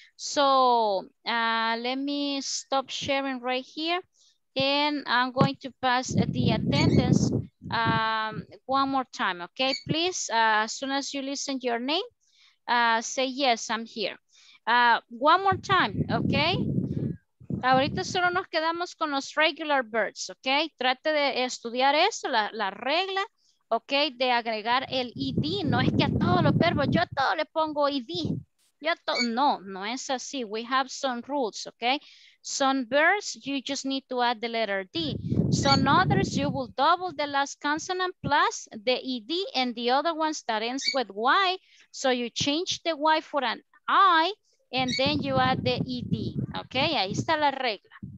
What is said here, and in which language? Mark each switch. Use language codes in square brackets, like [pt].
[en] So let me stop sharing right here and I'm going to pass the attendance one more time, okay? Please, as soon as you listen your name, say yes, I'm here. One more time, okay? [es] Ahorita solo nos quedamos con los [en] regular verbs, [es] ¿ok? Trate de estudiar eso, la regla, ¿ok? De agregar el ed. No es que a todos los verbos, yo a todo le pongo ed. No es así. [en] We have some rules, ¿ok? Some verbs, you just need to add the letter d. Some others, you will double the last consonant plus the ed and the other ones that ends with y. So you change the y for an I. And then you add the ED, okay? [es] Ahí está la regla.